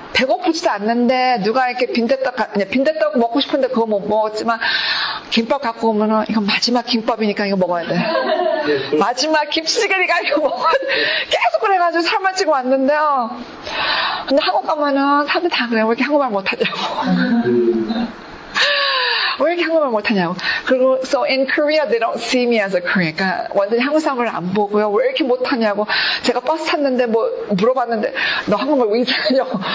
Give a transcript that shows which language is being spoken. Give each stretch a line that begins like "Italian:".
Korean: 배고프지도 않는데 누가 이렇게 빈대떡 먹고 싶은데 그거 못 먹었지만 김밥 갖고 오면은 이건 마지막 김밥이니까 이거 먹어야 돼. 마지막 김치찌개니까 이거 계속 그래가지고 살만 찌고 왔는데요. 근데 한국 가면은 사람들 다 그래요. 왜 이렇게 한국말 못하냐고. 왜 이렇게 한국말 못하냐고. 그리고
English: so in Korea they don't see me as a Korean.
Korean: 그러니까 완전히 한국 사람을 안 보고요. 왜 이렇게 못하냐고. 제가 버스 탔는데 뭐 물어봤는데 너 한국말 왜 이상하냐고.